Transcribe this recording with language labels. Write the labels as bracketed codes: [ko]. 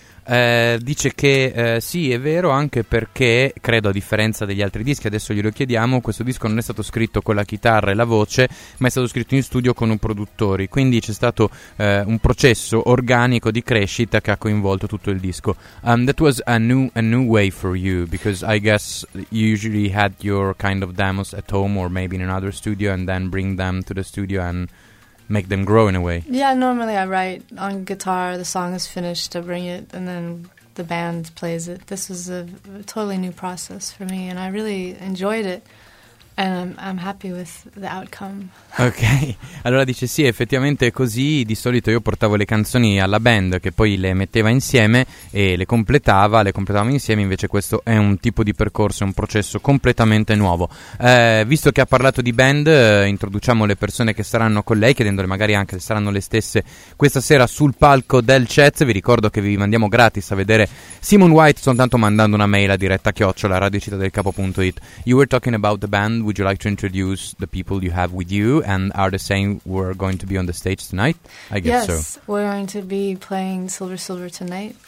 [it] Dice che sì, è vero, anche perché, credo a differenza degli altri dischi, adesso glielo chiediamo, questo disco non è stato scritto con la chitarra e la voce, ma è stato scritto in studio con un produttore. Quindi c'è stato un processo organico di crescita che ha coinvolto tutto il disco. [en] That was a new way for you, because I guess you usually had your kind of demos at home or maybe in another studio and then bring them to the studio and make them grow in a way. Yeah, normally I write on guitar, the song is finished, I bring it, and then the band plays it. This is a totally new process for me, and I really enjoyed it, and I'm happy with the outcome. [it] Ok, allora dice sì, effettivamente è così. Di solito io portavo le canzoni alla band, che poi le metteva insieme e le completavamo insieme. Invece questo è un tipo di percorso, è un processo completamente nuovo. Visto che ha parlato di band, introduciamo le persone che saranno con lei, chiedendole magari anche se saranno le stesse questa sera sul palco del Chez. Vi ricordo che vi mandiamo gratis a vedere Simon White soltanto mandando una mail a diretta@radiocittadelcapo.it. [en] You were talking about the band, would you like to introduce the people you have with you? And are they saying we're going to be on the stage tonight? I guess so. Yes, we're going to be playing Silver Silver tonight.